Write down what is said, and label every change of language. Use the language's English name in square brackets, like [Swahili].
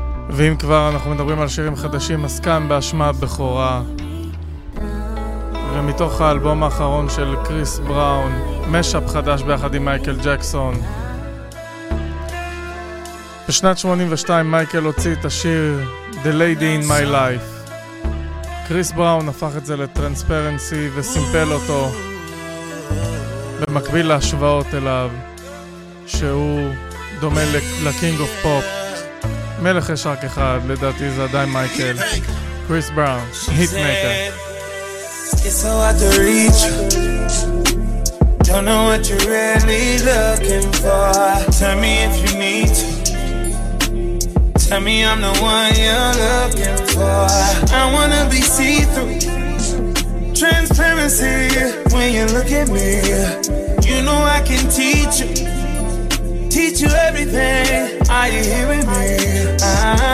[Hebrew] ואם כבר אנחנו מדברים על שירים חדשים, אז כאן באשמת בכורה. ומתוך האלבום האחרון של קריס בראון, משאפ חדש ביחד עם מייקל ג'קסון. בשנת 82 מייקל הוציא את השיר The Lady in My Life. קריס בראון הפך את זה לטרנספרנסי וסימפל אותו במקביל להשוואות אליו שהוא דומה לקינג אוף פופ מלך יש רק אחד לדעתי זה עדיין מייקל קריס בראון, היט מייקר [English] It's so hard to reach you Don't know what you're really looking for Tell me if you need to Tell me I'm the one you're looking for I wanna be see-through Transparency when you look at me You know I can teach you Teach you everything Are you hearing me?